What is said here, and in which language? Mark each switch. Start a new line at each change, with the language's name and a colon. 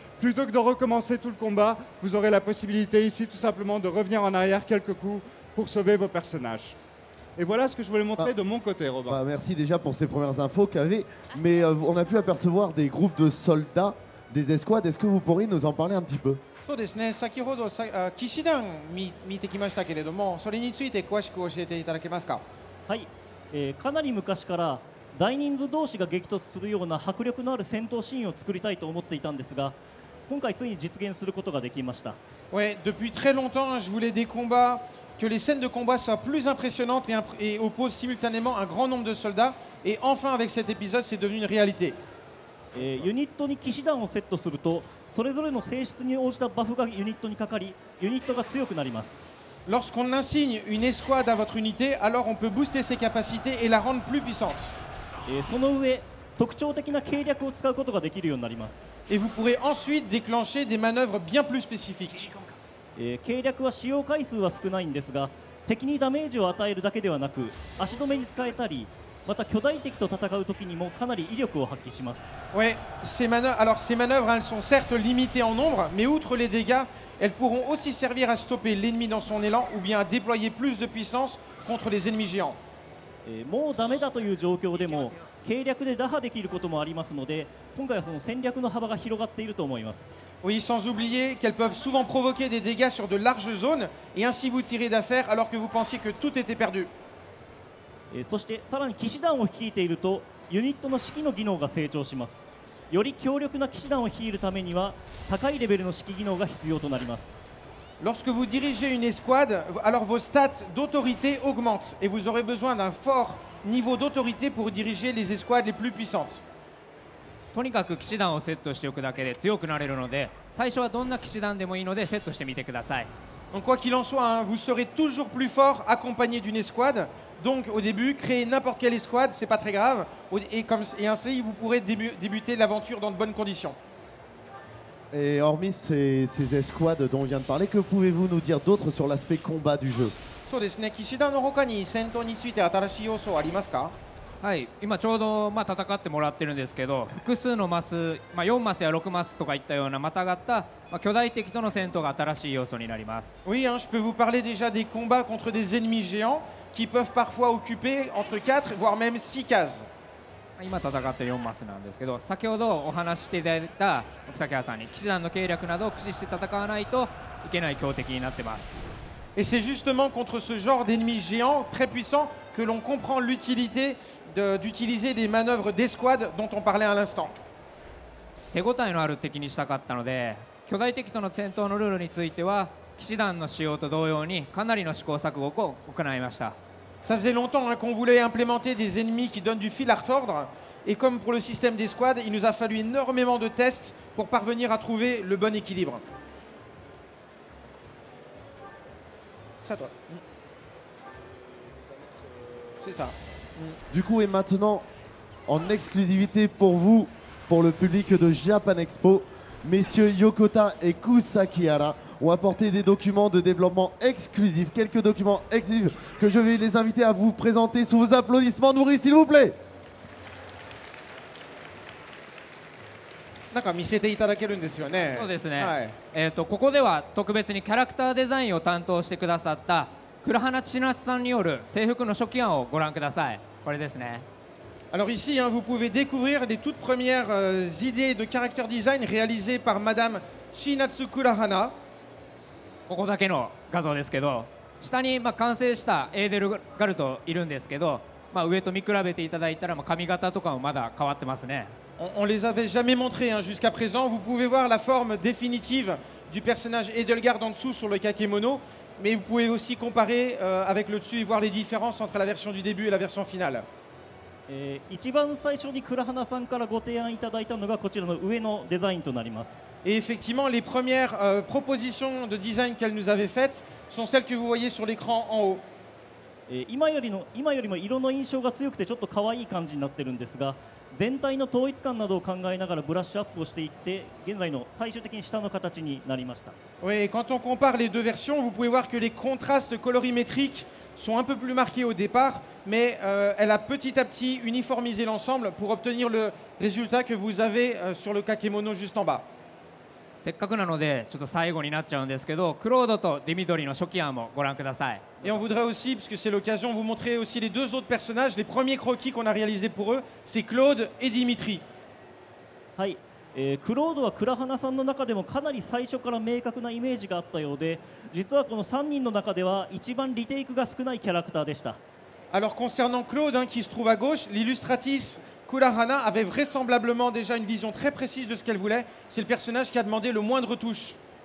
French: Plutôt que de recommencer tout le combat, vous aurez la possibilité ici, tout simplement, de revenir en arrière quelques coups pour sauver vos personnages. Et voilà ce que je voulais montrer de mon côté, Robin. Bah, merci déjà pour ces premières infos, Kaveh. Mais on a pu apercevoir des groupes de soldats, des escouades. Est-ce que vous pourriez nous en parler un petit peu ?
Japanese: そうですね。先ほど騎士団見てきましたけれども、それについて詳しく教えていただけますか？はい。かなり昔から大人数同士が激突するような迫力のある戦闘シーンを作りたいと思っていたんですが、今回ついに実現することができました。
French: Oui, depuis très longtemps, je voulais des combats, que les scènes de combat soient plus impressionnantes et opposent simultanément un grand nombre de soldats. Et enfin, avec cet épisode, c'est devenu une réalité.
Japanese: ユニットに騎士団をセットすると、それぞれの性質に応じたバフがユニットにかかり、ユニットが強くなります。
French: Lorsqu'on insigne une escouade à votre unité, alors on peut booster ses capacités et la rendre plus puissante.
Japanese: その上、特徴的な計略を使うことができるようになります。
French: Et vous pourrez ensuite déclencher des manœuvres bien plus spécifiques.
Japanese: 計略は使用回数は少ないんですが、敵にダメージを与えるだけではなく、足止めに使えたり、また巨大敵と戦うときにもかなり威力を発揮します。
French: Oui, ces manœuvres, elles sont certes limitées en nombre, mais outre les dégâts, elles pourront aussi servir à stopper l'ennemi dans son élan ou bien à déployer plus de puissance contre les ennemis géants.
Japanese: もうダメだという状況でも、計略で打破できることもありますので、今回はその戦略の幅が広がっていると思います。
French: Oui, sans oublier qu'elles peuvent souvent provoquer des dégâts sur de larges zones et ainsi vous tirer d'affaire alors que vous pensiez que tout était perdu.
Japanese: そしてさらに騎士団を率いているとユニットの指揮の技能が成長します。より強力な騎士団を率いるためには高いレベルの指揮技能が必要となります。
French: Lorsque vous dirigez une escouade, alors vos stats d'autorité augmentent et vous aurez besoin d'un fort niveau d'autorité pour diriger les escouades les plus puissantes.
Japanese: とにかく騎士団をセットしておくだけで強くなれるので、最初はどんな騎士団でもいいのでセットしてみてください。
French: Donc quoi qu'il en soit, hein, vous serez toujours plus fort accompagné d'une escouade. Donc au début, créer n'importe quelle escouade, c'est pas très grave. Et ainsi, vous pourrez débuter l'aventure dans de bonnes conditions. Et hormis ces escouades dont on vient de parler, que pouvez-vous nous dire d'autre sur l'aspect combat du jeu ?
Japanese: そうですね。騎士団の他に戦闘について新しい要素ありますか？はい。今ちょうど戦ってもらってるんですけど、複数のマス、4マスや6マスとかいったようなまたがった巨大敵との戦闘が新しい要素になります。
French: Oui, hein, je peux vous parler déjà des combats contre des ennemis géants. Qui peuvent parfois occuper entre 4 voire même 6 cases.
Japanese: 今戦ってる4マスなんですけど、先ほどお話していただいた奥崎さんに騎士団の計略などを駆使して戦わないといけない強敵になってます。
French: Et c'est justement contre ce genre d'ennemis géants très puissants que l'on comprend l'utilité d'utiliser des manœuvres d'escouade dont on parlait à l'instant.
Japanese: 手応えのある敵にしたかったので、巨大敵との戦闘のルールについては。騎士団の使用と同様にかなりの試行錯誤を行いました。
French: Ça faisait longtemps qu'on voulait implémenter des ennemis qui donnent du fil à retordre, et comme pour le système des squads, il nous a fallu énormément de tests pour parvenir à trouver le bon équilibre. C'est à toi. C'est ça. Du coup, et maintenant, en exclusivité pour vous, pour le public de Japan Expo, messieurs Yokota et Kusakihara. Ont apporté des documents de développement exclusifs, quelques documents exclusifs que je vais les inviter à vous présenter sous vos applaudissements nourris, s'il vous plaît.
Japanese: なんか見せていただけるんですよね。そうですね。はい。ここでは特別にキャラクターデザインを担当してくださった倉花千夏さんによる制服の初期案をご覧ください。これですね。
French: Alors ici, hein, vous pouvez découvrir les toutes premières, idées de character design réalisées par Madame Chinatsu Kurahana.
Japanese: ここだけの画像ですけど、下に完成したエーデルガルトいるんですけど、上と見比べていただいたら髪型とかもまだ変わってますね。
French: On les avait jamais montré jusqu'à présent. Vous pouvez voir la forme définitive du personnage Edelgard en dessous sur le kakemono, mais vous pouvez aussi comparer avec le dessus et voir les différences entre la version du début et la version finale.
Japanese: 一番最初にクラハナさんからご提案いただいたのがこちらの上のデザインとなります。
French: Et effectivement, les premières propositions de design qu'elle nous avait faites sont celles que vous voyez sur l'écran en haut.
Japanese: Et 今よりも色の印象が強くてちょっと可愛い感じになってるんですが、全体の統一感などを考えながらブラッシュアップをしていって、現在の最終的に下の形になりました。
French: Oui, quand on compare les deux versions, vous pouvez voir que les contrastes colorimétriques sont un peu plus marqués au départ, mais elle a petit à petit uniformisé l'ensemble pour obtenir le résultat que vous avez sur le kakemono juste en bas.
Japanese: せっかくなのでちょっと最後になっちゃうんですけど、クロードとディミトリの初期案もご覧ください。
French: Et on voudrait aussi, puisque c'est l'occasion, vous montrer aussi les deux autres personnages, les premiers croquis qu'on a réalisés pour eux, c'est Claude et Dimitri.
Japanese: はい、クロードはクラハナさんの中でもかなり最初から明確なイメージがあったようで、実はこの3人の中では一番リテイクが少ないキャラクターでした。
French: Alors concernant Claude, hein, qui se trouve à gauche, l'illustratrice Kurahana avait vraisemblablement déjà une vision très précise de ce qu'elle voulait. C'est le personnage qui a demandé le moindre touche.